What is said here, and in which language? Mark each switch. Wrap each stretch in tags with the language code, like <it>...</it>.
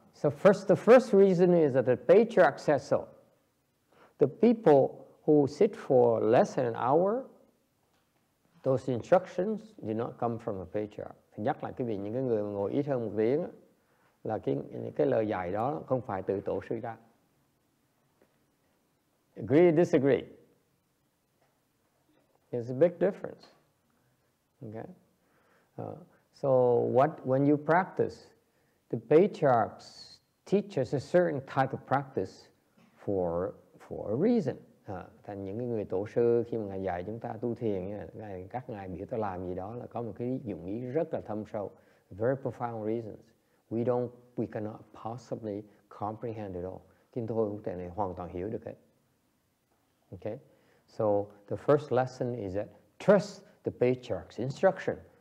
<en>So first, the first reason is that the patriarch says so. The people who sit for less than an hour, those instructions do not come from the patriarch.</en> <vi>Nhắc lại cái vị những cái người mà ngồi ít hơn một tiếng là cái lời dạy đó không phải từ tổ sư ra.</vi> <en>Agree or disagree? There's a big difference. Okay. When you practice, the patriarchs teach us a certain type of practice for a reason.</en> <vi>Thành những người tổ sư khi mà ngài dạy chúng ta tu thiền, các ngài biểu ta làm gì đó là có một cái dụng ý rất là thâm sâu.</vi> <en>Very profound reasons. We cannot possibly comprehend it all.</en> <vi>Chúng tôi không thể hoàn toàn hiểu được hết.</vi> <en>Okay? So the first lesson is that trust the patriarch's instruction.</en>